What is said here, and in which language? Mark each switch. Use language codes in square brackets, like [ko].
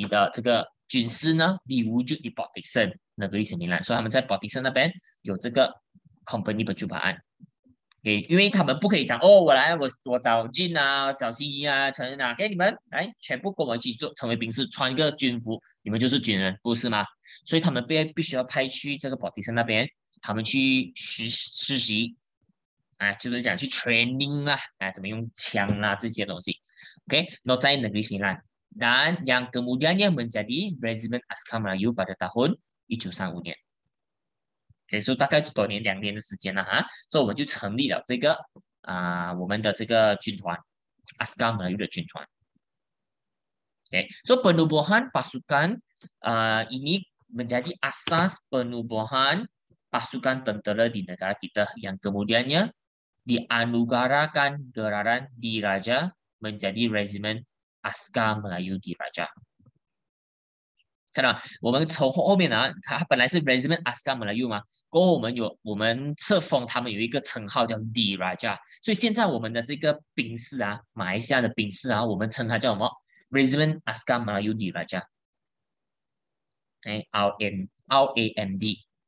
[zh] 也就是他们是那种实习的这个军师呢，例如就 Partisan 那个历史名单，所以他们在 Partisan 那边有这个 [ms] company percubaan。 [zh] 给，因为他们不可以讲哦，我找金啊，找西啊，找那给你们来全部跟我一起做，成为兵士，穿个军服，你们就是军人，不是吗？所以他们被必须要派去这个 Partisan 那边。他们去实习，啊，就是讲去 training 啊，怎么用枪啊这些东西。OK， 那在 negeri Sembilan， [ms] dan yang kemudiannya menjadi Regiment Askar Melayu pada tahun 1935年。 [zh] OK， 所以大概多年两年的时间了哈，所以我们就成立了这个我们的这个军团 Askar Melayu 的军团。 [ms] OK， 所以 penubuhan pasukan ini menjadi asas penubuhan pasukan tentera di negara kita yang kemudiannya dianugerahkan gelaran diraja menjadi Regimen Askar Melayu Diraja. Karena, kita [zh] 从后面啊，它本来是 Regimen Askar Melayu mah，过后我们有我们册封他们有一个称号叫 Diraja，所以现在我们的这个兵士啊，马来西亚的兵士啊，我们称它叫什么 Regimen Askar Melayu Diraja，RAMD。